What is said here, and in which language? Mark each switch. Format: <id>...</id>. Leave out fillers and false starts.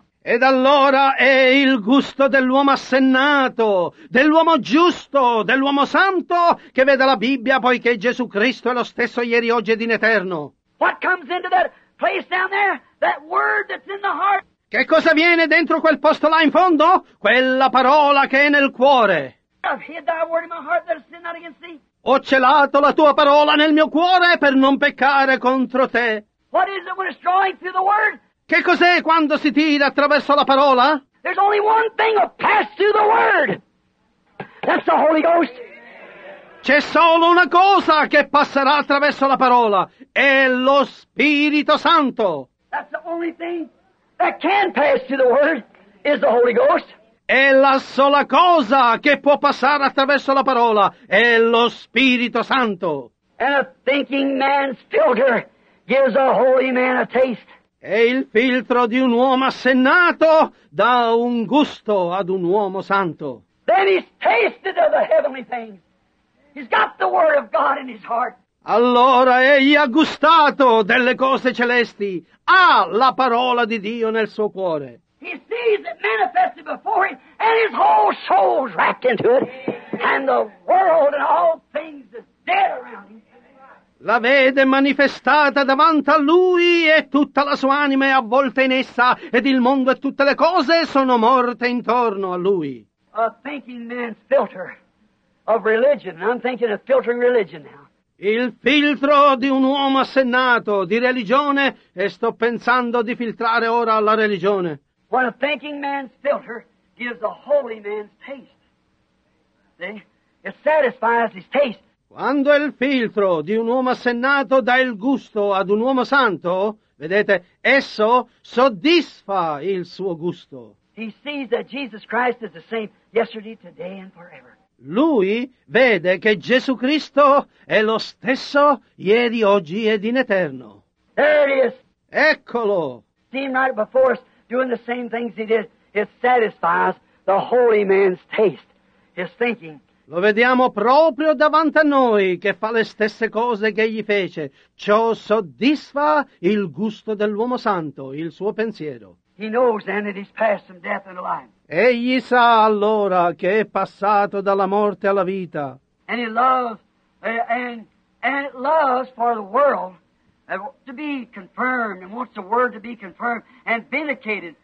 <it>Ed allora è il gusto dell'uomo assennato, dell'uomo giusto, dell'uomo santo, che vede la Bibbia poiché Gesù Cristo è lo stesso ieri, oggi ed in eterno.</it> <en>What comes into that place down there? That word that's in the heart.</en> <it>Che cosa viene dentro quel posto là in fondo? Quella parola che è nel cuore.</it> <en>I've hid thy word in my heart that I sin not against thee.</en> <it>Ho celato la tua parola nel mio cuore per non peccare contro te.</it> <en>What is it when it's drawing through the word?</en> <it>Che cos'è quando si tira attraverso la parola?</it> <en>There's only one thing that passes through the word. That's the Holy Ghost.</en> <it>C'è solo una cosa che passerà attraverso la parola. È lo Spirito Santo.</it> <en>That's the only thing that can pass through the word is the Holy Ghost.</en> <it>È la sola cosa che può passare attraverso la parola. È lo Spirito Santo.</it> <en>And a thinking man's filter gives a holy man a taste.</en> <it>E il filtro di un uomo assennato dà un gusto ad un uomo santo.</it> <en>Then he's tasted of the heavenly things. He's got the word of God in his heart.</en> <it>Allora egli ha gustato delle cose celesti. Ha la parola di Dio nel suo cuore.</it> <en>He sees it manifested before him, and his whole soul's wrapped into it. And the world and all things is dead around him.</en> <it>La vede manifestata davanti a lui e tutta la sua anima è avvolta in essa ed il mondo e tutte le cose sono morte intorno a lui.</it> <en>A thinking man's filter of religion. I'm thinking of filtering religion now.</en> <it>Il filtro di un uomo assennato di religione e sto pensando di filtrare ora la religione.</it> <en>What a thinking man's filter gives a holy man's taste. See? It satisfies his taste.</en> <it>Quando il filtro di un uomo assennato dà il gusto ad un uomo santo, vedete, esso soddisfa il suo gusto.</it> <en>He sees that Jesus Christ is the same yesterday, today and forever.</en> <it>Lui vede che Gesù Cristo è lo stesso ieri, oggi ed in eterno.</it> <en>There it is.</en> <it>Eccolo.</it> <en>See him right before us doing the same things he did. It satisfies the holy man's taste, his thinking.</en> <it>Lo vediamo proprio davanti a noi che fa le stesse cose che egli fece. Ciò soddisfa il gusto dell'uomo santo, il suo pensiero.</it> <en>He knows then that he's passed from death into life.</en> <it>Egli sa allora che è passato dalla morte alla vita.</it> <en>And he loves, and loves for the world to be confirmed and wants the word to be confirmed and vindicated.</en>